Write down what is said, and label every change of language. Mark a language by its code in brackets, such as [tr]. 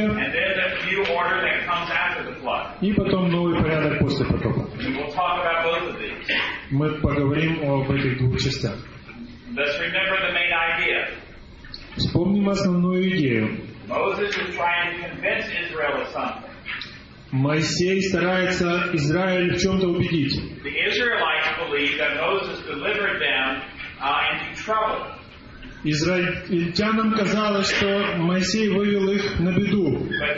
[en] And then the new order that comes after the flood. [ru] И потом новый порядок после потопа. [en] We'll talk about both of these. [ru] Мы поговорим об этих двух частях. [en] Let's remember the main idea. [ru] Вспомним основную идею. [en] Moses is trying to convince Israel of something. [ru] Моисей старается Израиль в чем-то убедить. [en] The Israelites believe that Moses delivered them into trouble. [ru] Израильтянам казалось, что Моисей вывел их на беду.